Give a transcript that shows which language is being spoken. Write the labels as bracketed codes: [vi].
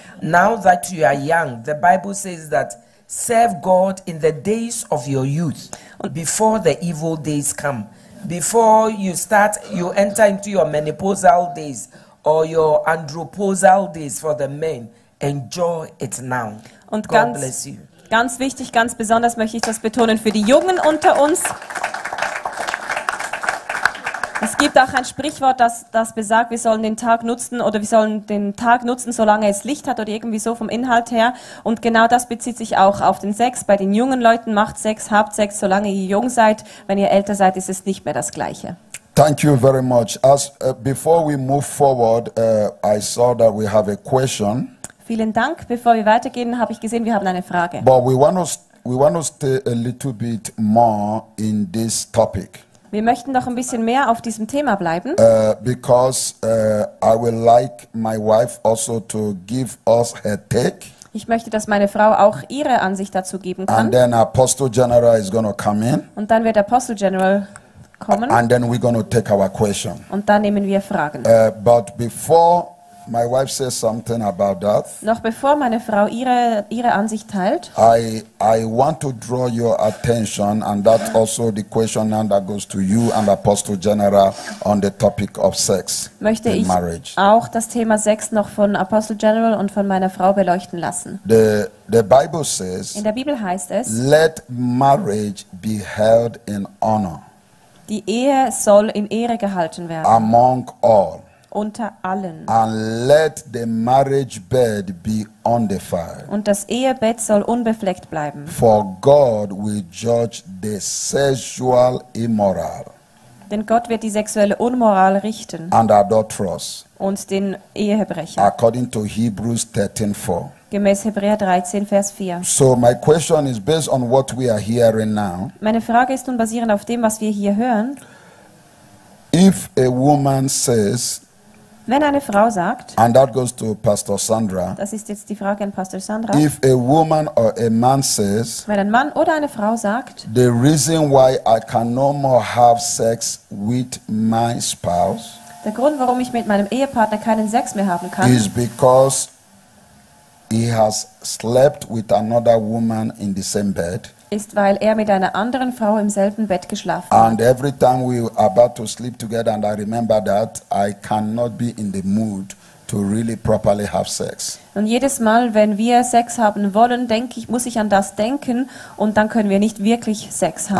[en] Now that you are young, the Bible says that serve God in the days of your youth, before the evil days come, before you enter into your menopausal days or your andropausal days for the men. Enjoy it now. Und God bless you. [de] Ganz wichtig, ganz besonders möchte ich das betonen für die Jungen unter uns. Es gibt auch ein Sprichwort, das besagt, wir sollen den Tag nutzen oder wir sollen den Tag nutzen, solange es Licht hat oder irgendwie so vom Inhalt her. Und genau das bezieht sich auch auf den Sex. Bei den jungen Leuten macht Sex, habt Sex, solange ihr jung seid. Wenn ihr älter seid, ist es nicht mehr das Gleiche. [en] Thank you very much. Before we move forward, I saw that we have a question. [de] Vielen Dank. Bevor wir weitergehen, habe ich gesehen, wir haben eine Frage. [en] But we want to stay a little bit more in this topic. [de] Wir möchten noch ein bisschen mehr auf diesem Thema bleiben. [en] I would like my wife also to give us her take. [de] Ich möchte, dass meine Frau auch ihre Ansicht dazu geben kann. [en] And then Apostle General is gonna come in. [de] Und dann wird Apostle General kommen. [en] And then we're gonna take our question. [de] Und dann nehmen wir Fragen. [en] But before my wife says something about that. [de] Noch bevor meine Frau ihre Ansicht teilt. [en] I want to draw your attention, and that also the question that goes to you and Apostle General on the topic of sex [de] möchte [en] in [de] ich [en] marriage. [de] Auch das Thema Sex noch von Apostle General und von meiner Frau beleuchten lassen. [en] The Bible says. [de] In der Bibel heißt es. [en] Let marriage be held in honor. [de] Die Ehe soll in Ehre gehalten werden. [en] Among all. [de] Unter allen. [en] And let the marriage bed be undefiled. [de] Und das Ehebett soll unbefleckt bleiben. [en] For God will judge the sexual immoral. [de] Denn Gott wird die sexuelle Unmoral richten. [en] And adulterers. [de] Und den Ehebrecher. [en] According to Hebrews 13:4. [de] Gemäß Hebräer 13, Vers 4. [en] So my question is based on what we are hearing now. [de] Meine Frage ist nun basierend auf dem, was wir hier hören. [en] If a woman says. [de] Wenn eine Frau sagt, [en] and that goes to Pastor Sandra, [de] das ist jetzt die Frage an Pastor Sandra, [en] if a woman or a man says, [de] wenn ein Mann oder eine Frau sagt, [en] the reason why I can no more have sex with my spouse, [de] der Grund, warum ich mit meinem Ehepartner keinen Sex mehr haben kann, [en] is because he has slept with another woman in the same bed, [de] ist, weil er mit einer anderen Frau im selben Bett geschlafen hat. [en] And every time we were about to sleep together and I remember that, I cannot be in the mood to really properly have sex. [de] Und jedes Mal, wenn wir Sex haben wollen, denke ich, muss ich an das denken und dann können wir nicht wirklich Sex haben.